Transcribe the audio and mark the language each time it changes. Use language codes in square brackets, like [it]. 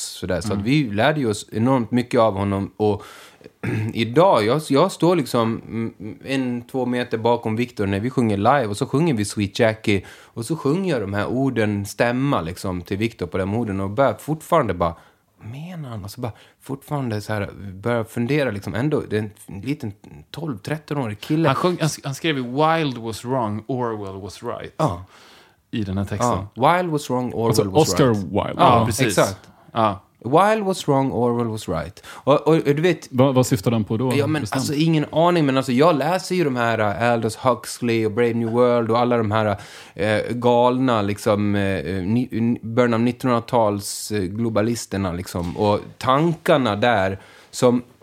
[sv] Så, där, så att vi lärde oss enormt mycket av honom. Och idag, jag står liksom 1-2 meter bakom Victor när vi sjunger live, och så sjunger vi Sweet Jackie, och så sjunger jag de här orden, stämma liksom till Victor på de orden, och börjar fortfarande bara menar han, och så bara fortfarande så här börjar fundera liksom, ändå det är en liten 12-13-årig kille. Han skrev [en] Wild was wrong, Orwell was right [sv] i den här texten. [en] Wild was wrong, Orwell was [sv] Oscar [en] right. [sv] Oscar Wilde. Precis. Exakt. [en] While was wrong, Orwell was right. [sv] Och du vet, vad syftar den på då? Ja, men alltså, ingen aning, men alltså, jag läser ju de här Aldous Huxley och Brave New World och alla de här galna liksom, början av 1900-tals globalisterna liksom, och tankarna där som...